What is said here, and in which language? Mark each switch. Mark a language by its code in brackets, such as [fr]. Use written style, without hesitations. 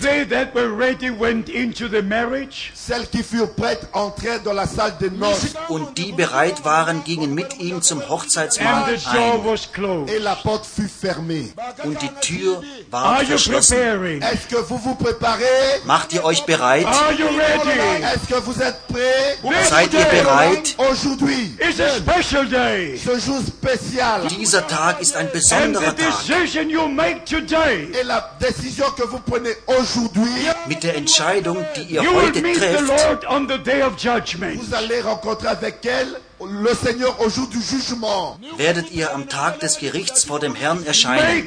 [en] they that were ready went into the marriage. [fr] Celles qui furent prêtes entrèrent dans la salle des noces. [de] Und die bereit waren, gingen mit ihm zum Hochzeitsmahl ein. [fr] Et la porte fut fermée. [de] Und die Tür war verschlossen. [fr] Est-ce que vous vous préparez? [de] Macht ihr euch bereit? [en] Are you ready? [fr] Est-ce que vous êtes prêts? [de] Seid ihr bereit? [fr] Aujourd'hui [en] is a special day. [fr] Ce jour spécial. [de] Dieser Tag ist ein besonderer Tag. [fr] Et la décision que vous prenez aujourd'hui, [de] mit der Entscheidung, die ihr heute trefft, [en] the [fr] vous allez rencontrer avec elle le Seigneur au jour du jugement. [de] Werdet ihr am Tag des Gerichts vor dem Herrn erscheinen.